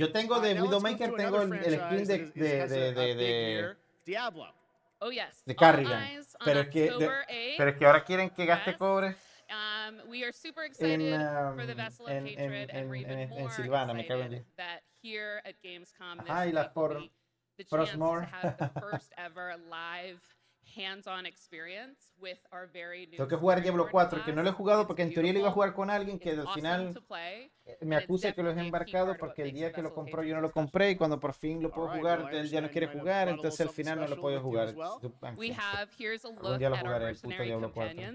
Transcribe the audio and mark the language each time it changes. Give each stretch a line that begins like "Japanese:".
Spanish: Yo tengo de Widowmaker, tengo el skin de Diablo.
English: Oh, yes.
Spanish: De Carrigan. Pero, pero es que ahora quieren que gaste cobre.
English: We are super excited for the Vessel of Hatred and we're even more excited that here at Gamescom this week will be the chance to have the first ever live hands-on experience with our very new.
Spanish: Tengo que jugar Diablo 4, que no lo he jugado porque en teoría lo iba a jugar con alguien que al final me acusa que lo he embarcado porque el día que lo compró yo no lo compré y cuando por fin lo puedo jugar él ya no quiere jugar, entonces al final no lo puedo jugar. Algún día lo jugaré, el puto Diablo 4.